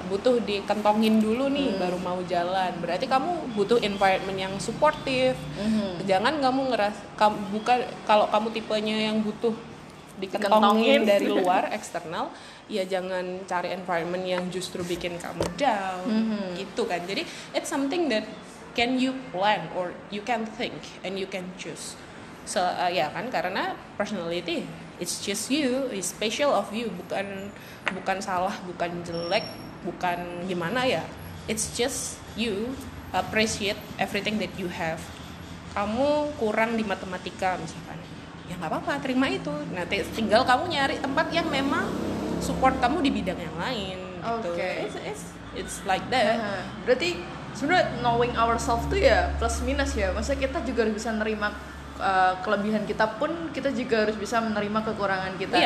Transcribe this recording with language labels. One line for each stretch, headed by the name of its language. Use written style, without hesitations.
Indonesian: Butuh dikentongin dulu nih baru mau jalan. Berarti kamu butuh environment yang supportive. Jangan kamu kalau kamu tipenya yang butuh dikentongin dari luar eksternal, ya jangan cari environment yang justru bikin kamu down, gitu kan.
English: Jadi it's something that can you plan or you can think and you can choose.
Indonesian: So ya kan, karena personality
English: it's just you, it's special of you,
Indonesian: bukan salah, bukan jelek, bukan gimana ya.
English: It's just you, appreciate everything that you have.
Indonesian: Kamu kurang di matematika misalkan, ya nggak apa-apa, terima itu. Nanti tinggal kamu nyari tempat yang memang support kamu di bidang yang lain. Gitu.
English: Okay. It's like that.
Indonesian: Berarti sebenarnya
English: knowing ourselves
Indonesian: tuh ya plus minus ya. Maksudnya kita juga harus bisa nerima kelebihan kita pun, kita juga harus bisa menerima kekurangan kita.